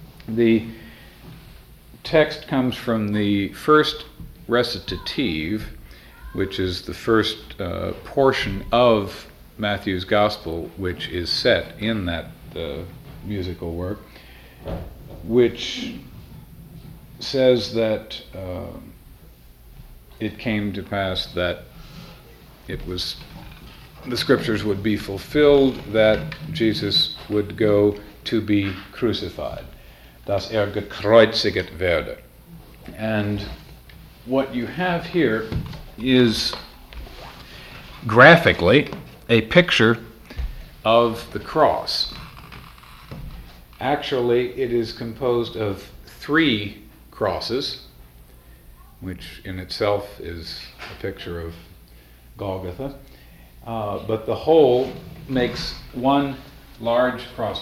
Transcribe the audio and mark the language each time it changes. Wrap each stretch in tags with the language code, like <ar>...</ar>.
<en>The text comes from the first recitative, which is the first portion of Matthew's Gospel, which is set in that musical work, which says that it came to pass that it was the scriptures would be fulfilled, that Jesus would go to be crucified.</en> <de>dass er gekreuziget werde.</de> <en>And what you have here is graphically a picture of the cross. Actually, it is composed of three crosses, which in itself is a picture of Golgotha, but the whole makes one large cross.</en>